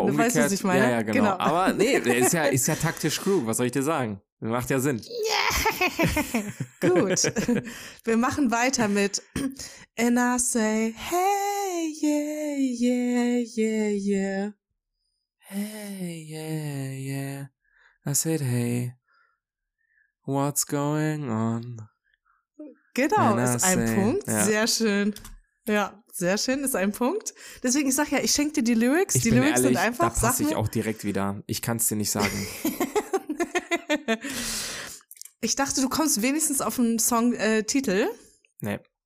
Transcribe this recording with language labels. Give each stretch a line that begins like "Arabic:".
German: umgekehrt. Du weißt, was ich meine. Ja, ja, genau. Aber nee, ist ja taktisch klug, was soll ich dir sagen? Macht ja Sinn. Yeah. Gut. Wir machen weiter mit
English: And I say, hey, yeah, yeah, yeah, yeah. Hey, yeah, yeah. I said, hey, what's going on?
German: Genau, ist ein Punkt. Ja. Sehr schön. Ja, sehr schön, ist ein Punkt. Deswegen, ich sag ja, ich schenk dir die Lyrics. Ich die bin Lyrics ehrlich, sind einfach Sachen. Da passe ich auch direkt wieder. Ich kann es dir nicht sagen. Ich dachte, du kommst wenigstens auf einen Songtitel. Nee.